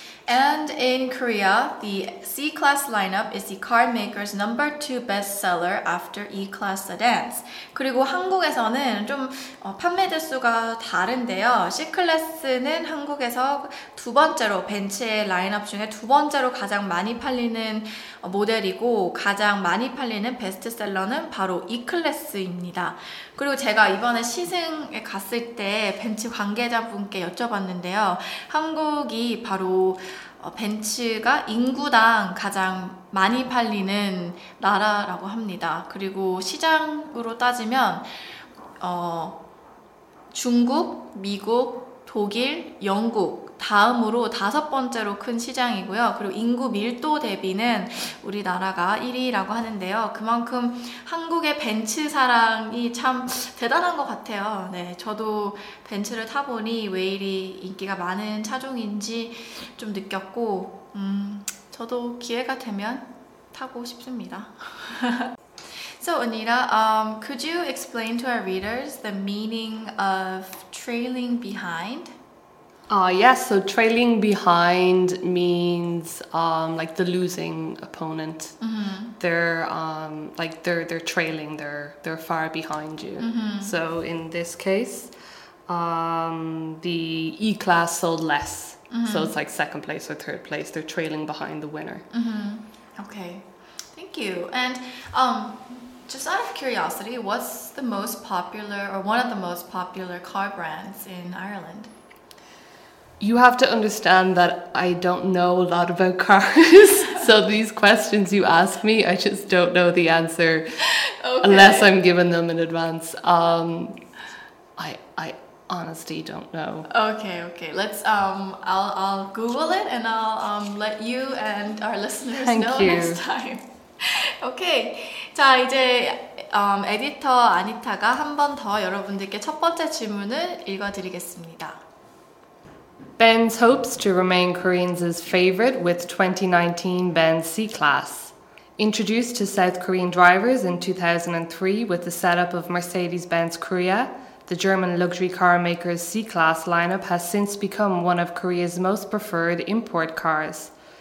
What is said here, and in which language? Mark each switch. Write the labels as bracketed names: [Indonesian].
[English] And in Korea, the C-Class lineup is the car maker's number two bestseller after E-Class sedans. [Korean] 그리고 한국에서는 좀 판매 대수가 다른데요. C-Class는 한국에서 두 번째로, 벤츠의 라인업 중에 두 번째로 가장 많이 팔리는 모델이고 가장 많이 팔리는 베스트셀러는 바로 E-Class입니다. 그리고 제가 이번에 시승에 갔을 때 벤츠 관계자분께 여쭤봤는데요. 한국이 바로 벤츠가 인구당 가장 많이 팔리는 나라라고 합니다. 그리고 시장으로 따지면 중국, 미국, 독일, 영국 다음으로 다섯 번째로 큰 시장이고요. 그리고 인구 밀도 대비는 우리나라가 1위라고 하는데요. 그만큼 한국의 벤츠 사랑이 참 대단한 것 같아요. 네, 저도 벤츠를 타보니 왜 이리 인기가 많은 차종인지 좀 느꼈고 저도 기회가 되면 타고 싶습니다. [English] So Anita, could you explain to our readers the meaning of trailing behind? Yes, so trailing behind means like the losing opponent. Mm-hmm. They're like they're trailing, they're far behind you. Mm-hmm. So in this case, the E class sold less. Mm-hmm. So it's like second place or third place. They're trailing behind the winner. Mm-hmm. Okay. Thank you. And just out of curiosity, what's the most popular or one of the most popular car brands in Ireland? You have to understand that I don't know a lot about cars. So these questions you ask me, I just don't know the answer. Okay. Unless I'm given them in advance. I honestly don't know. Okay. Let's I'll Google it and I'll let you and our listeners know. Next time. Okay. [Korean] 자, 이제 에디터 아니타가 한 번 더 여러분들께 첫 번째 질문을 읽어 드리겠습니다. [English] Benz hopes to remain Koreans' favorite with 2019 Benz C-Class. Introduced to South Korean drivers in 2003 with the setup of Mercedes-Benz Korea, the German luxury car maker's C-Class lineup has since become one of Korea's most preferred import cars.